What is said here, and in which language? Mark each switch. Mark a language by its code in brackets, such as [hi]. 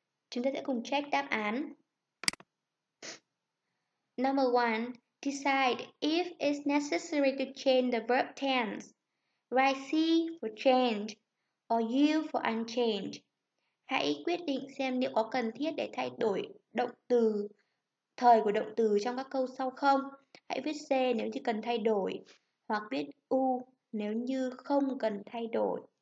[vi] Chúng ta sẽ cùng check đáp án. [en] Number 1. Decide if it's necessary to change the verb tense. Write C for change or U for unchanged. [vi] Hãy quyết định xem liệu có cần thiết để thay đổi động từ, thời của động từ trong các câu sau không. Hãy viết C nếu như cần thay đổi hoặc viết U nếu như không cần thay đổi.